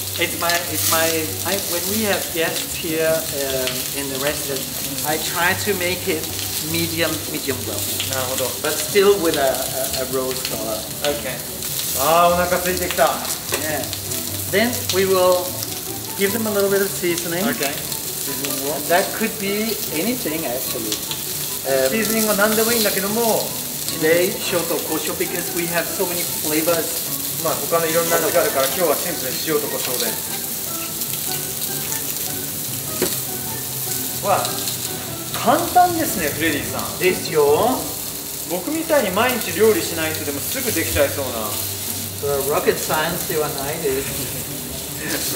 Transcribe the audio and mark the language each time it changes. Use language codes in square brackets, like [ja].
[en] It's my, when we have guests here in the residence, I try to make it medium well. [ja] なるほど。 [en] But still with a rose color. [ja] Okay. あ、お腹空いてきた。 [en] Yeah. Then we will give them a little bit of seasoning. Okay. That could be anything actually. [ja] Seasoning は何でもいいんだけども [en] Today, ショートコショウ because we have so many flavors. [ja] まあ他のいろんな味があるから今日はシンプルに塩とコショウで。わあ、簡単ですね、フレディさん。ですよ。僕みたいに毎日料理しない人でもすぐできちゃいそうな。それはロケットサイエンスではないです。